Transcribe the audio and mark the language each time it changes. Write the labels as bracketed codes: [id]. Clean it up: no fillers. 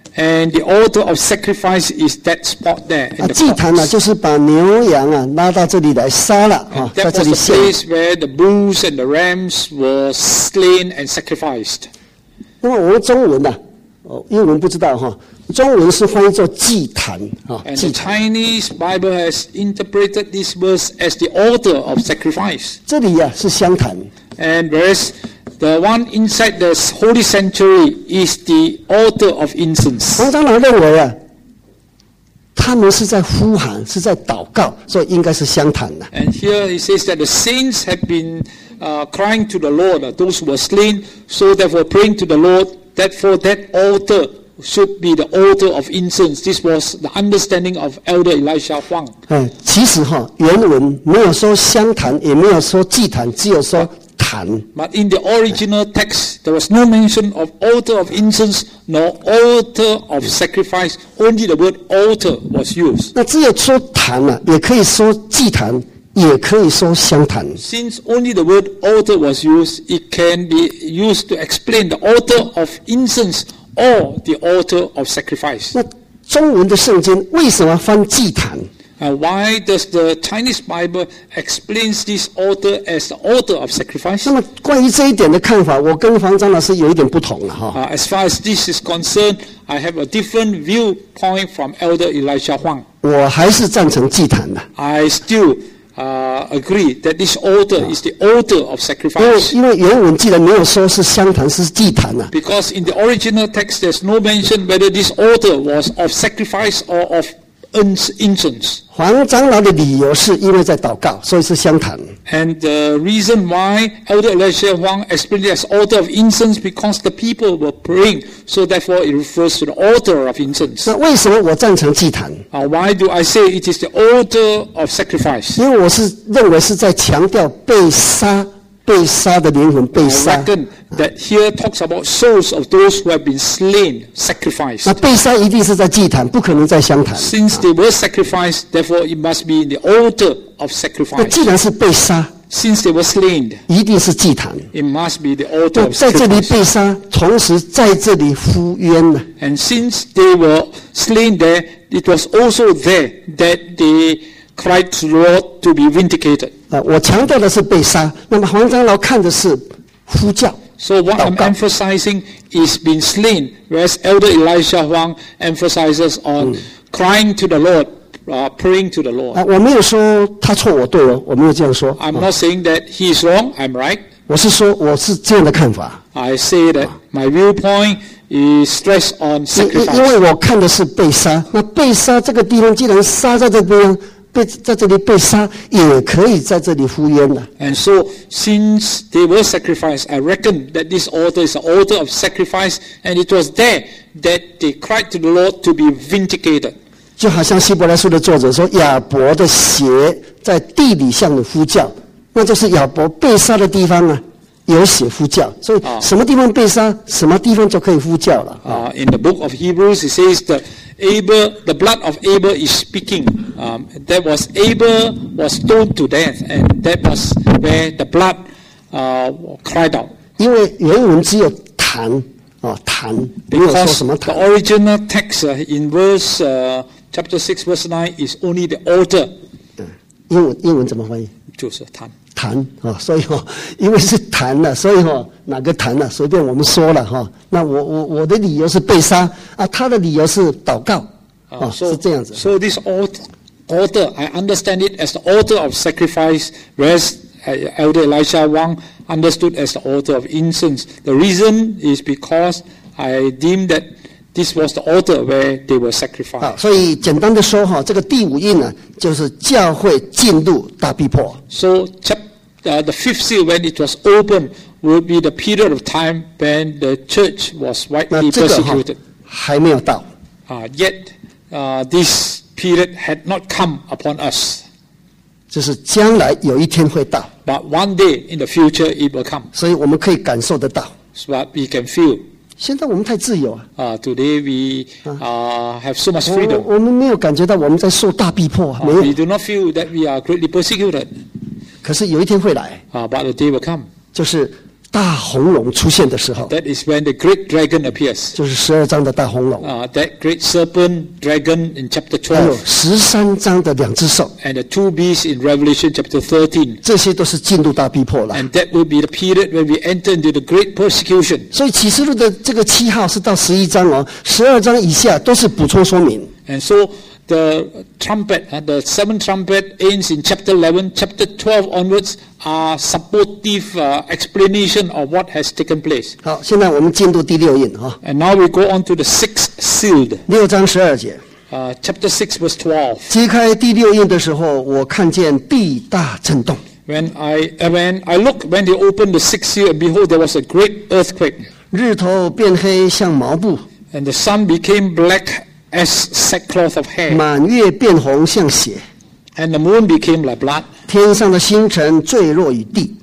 [en] And the altar of sacrifice is that spot there. [zh] 啊，祭坛呢、啊，就是把牛羊啊拉到这里来杀了啊，在这里献。 [en] That was the place where the bulls and the rams were slain and sacrificed. [zh] 那么我们中文呢、啊？哦，英文不知道哈、啊。中文是翻译做祭坛啊。 [en] And the Chinese Bible has interpreted this verse as the altar of sacrifice. [zh] 这里呀、啊、是香坛。 [en] And whereas the one inside the holy sanctuary is the altar of incense. [zh] 黄长老认为啊，他们是在呼喊，是在祷告，所以应该是香坛的。 [en] And here he says that the saints have been crying to the Lord, those who were slain, so therefore praying to the Lord, therefore that altar should be the altar of incense. This was the understanding of Elder Elisha Huang. [zh] 其实哈，原文没有说香坛，也没有说祭坛，只有说。 [en] But in the original text, there was no mention of altar of incense nor altar of sacrifice. Only the word altar was used. [zh] 那只有说坛啊，也可以说祭坛，也可以说香坛。 [en] Since only the word altar was used, it can be used to explain the altar of incense or the altar of sacrifice. [zh] 那中文的圣经为什么翻祭坛？ [en] Why does the Chinese Bible explains this altar as the altar of sacrifice? [zh] 那么关于这一点的看法，我跟黄章老师有一点不同了哈。 [en] As far as this is concerned, I have a different viewpoint from Elder Elisha Huang. [zh] 我还是赞成祭坛的。 [en] I still agree that this altar is the altar of sacrifice. [zh] 因为原文既然没有说是香坛，是祭坛啊。 [en] Because in the original text, there's no mention whether this altar was of sacrifice or of instance. [zh] 黄长老的理由是因为在祷告，所以是香坛。 [en] And the reason why Elder Elisha Huang explained as altar of incense because the people were praying, so therefore it refers to the altar of incense. [zh] 那为什么我赞成祭坛？ [en] Why do I say it is the altar of sacrifice? [zh] 因为我是认为是在强调被杀。被杀的灵魂被杀。 [en] I reckon that here talks about souls of those who have been slain, sacrificed. [zh] 那被杀一定是在祭坛，不可能在香坛。 [en] Since they were sacrificed, therefore it must be in the altar of sacrifice. [zh] 那既然是被杀。 [en] Since they were slain, [zh] 一定是祭坛。 [en] It must be the altar of [zh] sacrifice. 在这里被杀，同时在这里呼冤呢。 [en] And since they were slain there, it was also there that they cried to the Lord to be vindicated. [zh] 我强调的是被杀，那么黄长老看的是呼叫。 [en] So what I'm emphasizing is being slain, whereas Elder Elisha Huang emphasizes on crying to the Lord, praying to the Lord. [zh] 我没有说他错我对哦，我没有这样说。 [en] I'm not saying that he is wrong, I'm right. [zh] 我是说我是这样的看法。 [en] I say that my viewpoint is stressed on sacrifice. [zh] 因为我看的是被杀，那被杀这个地方既然杀在这边。被在这里被杀也可以在这里呼冤的。 [en] And so, since they were sacrificed, I reckon that this altar is an altar of sacrifice, and it was there that they cried to the Lord to be vindicated. [zh] 就好像希伯来书的作者说，亚伯的血在地里向你呼叫，那就是亚伯被杀的地方啊，有血呼叫。所以什么地方被杀，什么地方就可以呼叫了。 [en] In the book of Hebrews, it says that. Abel, the blood of Abel is speaking. That was Abel was stoned to death, and that was where the blood cried out. [zh] 因为原文只有坛啊坛，没有说什么坛。 [en] The original text in verse chapter 6 verse 9 is only the altar. [zh] 英文怎么翻译？就是坛。坛啊，所以哈，因为是坛了，所以哈，哪个坛了？随便我们说了哈。那我的理由是被杀啊，他的理由是祷告啊，是这样子。 [en] So this altar, I understand it as the altar of sacrifice, whereas Elder Elisha Huang understood as the altar of incense. The reason is because I deem that this was the altar where they were sacrificed. [zh] 所以简单的说哈，这个第五印呢，就是教会进入大逼迫。 [en] So the fifth seal when it was opened. Will be the period of time when the church was widely persecuted. [zh] 还没有到。 [en] Yet, this period had not come upon us. [zh] 就是将来有一天会到。 [en] But one day in the future it will come. [zh] 所以我们可以感受得到。 [en] So we can feel. [zh] 现在我们太自由啊。 [en] Today we have so much freedom. [zh] 我们没有感觉到我们在受大逼迫啊。没有。 [en] We do not feel that we are greatly persecuted. [zh] 可是有一天会来。 [en] But the day will come. [zh] 就是大红龙出现的时候。 [en] That is when the great dragon appears. [zh] 就是十二章的大红龙。 [en] That great serpent dragon in chapter 12. [zh] 还有十三章的两只兽。 [en] And the two beasts in Revelation chapter 13. [zh] 这些都是进入大逼迫了。 [en] And that will be the period when we enter into the great persecution. [zh] 所以启示录的这个七号是到十一章哦，十二章以下都是补充说明。 [en] And so the trumpet, the seventh trumpet ends in chapter 11, chapter 12 onwards. Supportive explanation of what has taken place. [zh] 好，现在我们进入第六印啊。 [en] And now we go on to the sixth sealed. [zh] 六章十二节。 [en] Chapter 6 verse 12. [zh] 揭开第六印的时候，我看见地大震动。 [en] When I look when they opened the sixth seal, behold, there was a great earthquake. [zh] 日头变黑像毛布。 [en] And the sun became black as sackcloth of hair. [zh] 满月变红像血。 [en] And the moon became like blood. [zh] 天上的星辰坠落于地。